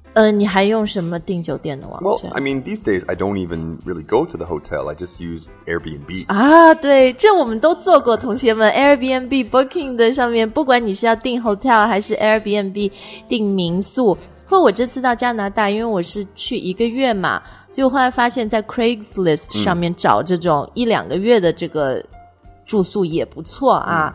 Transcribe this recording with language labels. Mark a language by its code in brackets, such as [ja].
[zh] 你还用什么订酒店的网站 [en] Well, I mean, these days, I don't even really go to the hotel. I just use Airbnb. [zh] 啊，对，这我们都做过，同学们。 Airbnb Booking 的上面，不管你是要订 hotel 还是 Airbnb 订民宿，或我这次到加拿大，因为我是去一个月嘛，所以我后来发现在 Craigslist 上面找这种一两个月的这个住宿也不错啊。